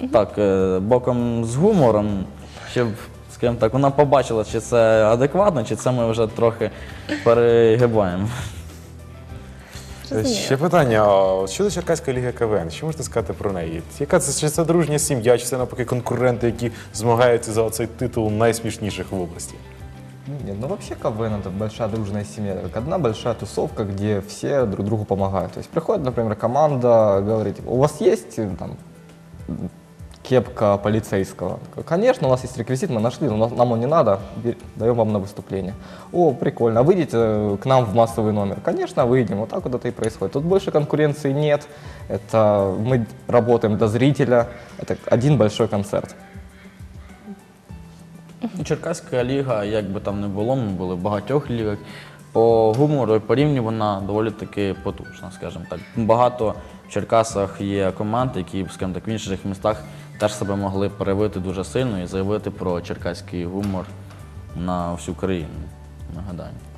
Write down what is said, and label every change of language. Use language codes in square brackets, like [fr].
[uk] Так, боком з гумором, щоб, скажімо так, вона побачила, чи це адекватно, чи це ми вже трохи перегибаємо. розумію. Ще питання, що до Черкаська ліга КВН? Що можете сказати про неї? Яка це, чи це дружня сім'я, чи це навпаки конкуренти, які змагаються за цей титул найсмішніших в області? [ru] Ні, ну вообще КВН — это большая дружная семья, как одна большая тусовка, где все друг другу помогают. То есть приходит, например, команда, говорит, у вас есть там кепка полицейского? Конечно, у нас есть реквизит, мы нашли, но нам он не надо, даем вам на выступление. О, прикольно, выйдите к нам в массовый номер. Конечно, выйдем, вот так вот это и происходит. Тут больше конкуренции нет, это мы работаем для зрителя, это один большой концерт. [uk] Черкаська ліга, як би там не було, ми були в багатьох лігах. По гумору і по рівню вона доволі таки потужна, скажімо так. Багато в Черкасах є команд, які, скажімо так, в інших містах теж себе могли проявити дуже сильно і заявити про черкаський гумор на всю країну, нагадаю.